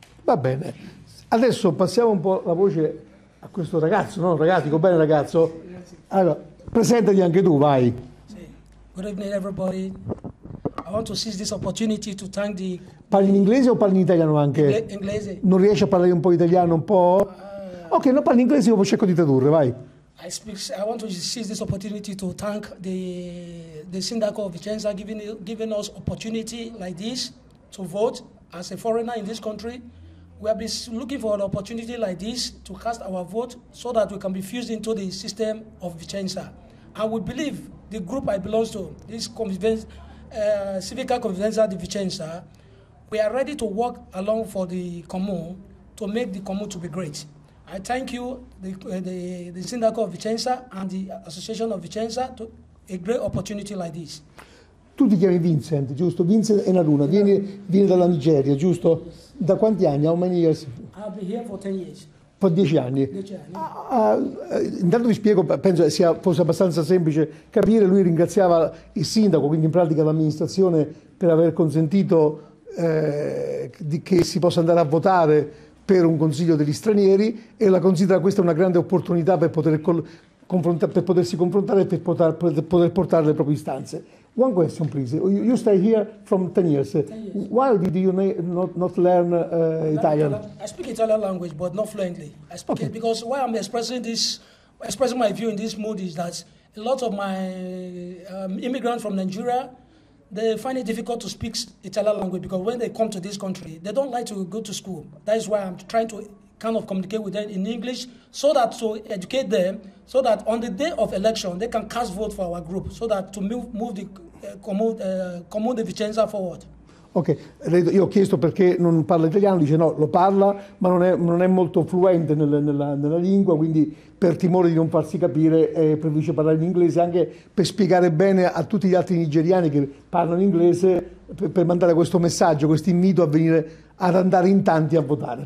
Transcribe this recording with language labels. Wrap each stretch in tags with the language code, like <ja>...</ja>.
<it>Va bene, adesso passiamo un po' la voce a questo ragazzo, no? Ragazzi, va bene ragazzo? Allora, presentati anche tu, vai.</it> <en>Good evening everybody. I want to seize this opportunity to thank</en> <it>Parli in inglese o parli in italiano</it> <en>the</en> <it>anche? inglese. Non riesci a parlare un po' italiano, un po'? Ok, non parli in inglese, io cerco di tradurre, vai.</it> <en>I want to seize this opportunity to thank the Sindaco of Vicenza giving us opportunity like this to vote as a foreigner in this country. We have been looking for an opportunity like this to cast our vote so that we can be fused into the system of Vicenza. I would believe the group I belong to, this convention. Civica Convivenza di Vicenza, we are ready to work along for the Comune to make the Comune to be great. I thank you, the Sindaco of Vicenza and the Association of Vicenza, to a great opportunity like this.</en> <it>Tu ti chiami Vincent, giusto? Vincent Enaruna, vieni dalla Nigeria, giusto? Da quanti anni?</it> <en>How many years?</en> <it>Fa</it> <en>I'll be here for 10 years.</en> <it>10 anni. 10 anni. Intanto vi spiego, penso fosse abbastanza semplice capire, lui ringraziava il sindaco, quindi in pratica l'amministrazione, per aver consentito che si possa andare a votare per un consiglio degli stranieri, e la considera questa una grande opportunità per poter per potersi confrontare e per poter portare le proprie istanze.</it> <en>One question, please. You stay here from 10 years. 10 years. Why did you not learn Italian? I speak Italian language, but not fluently. I speak it Okay. because why I'm expressing my view in this mood is that a lot of my immigrants from Nigeria, they find it difficult to speak Italian language because when they come to this country, they don't like to go to school. That is why I'm trying to kind of communicate with them in English so that to educate them so that on the day of election they can cast vote for our group so that to move the Vicenza forward.</en> <it>Ok, io ho chiesto perché non parla italiano, dice no, lo parla, ma non è molto fluente nella lingua, quindi per timore di non farsi capire preferisce parlare in inglese, anche per spiegare bene a tutti gli altri nigeriani che parlano inglese, per mandare questo messaggio, questo invito a venire ad andare in tanti a votare.</it>